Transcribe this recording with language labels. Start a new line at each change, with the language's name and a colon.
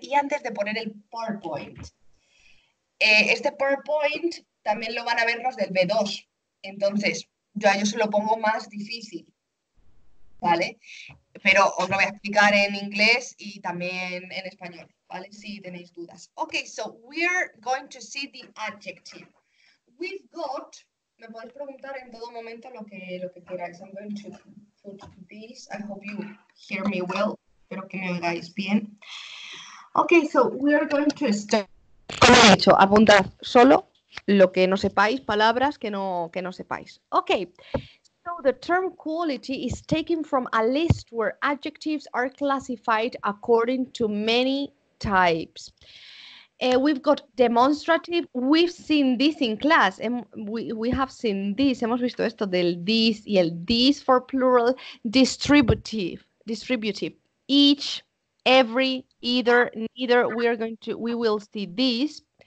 Spanish: Y antes de poner el PowerPoint, este PowerPoint también lo van a ver los del B2. Entonces, yo a ellos se lo pongo más difícil, ¿vale? Pero os lo voy a explicar en inglés y también en español, ¿vale? Si tenéis dudas.
English: Ok, so we're going to see the adjective. We've got.
Spanish: Me podéis preguntar en todo momento lo que queráis.
English: I'm going to put this. I hope you hear me well.
Spanish: Espero que me oigáis bien.
English: Ok, so we are going to start.
Spanish: Como he dicho, apuntad solo lo que no sepáis, palabras que no sepáis.
English: Ok, so the term quality is taken from a list where adjectives are classified according to many types. We've got demonstrative, we've seen this in class, we have seen this,
Spanish: hemos visto esto del
English: this y el this for plural, distributive, each, every, either, neither, we will see this.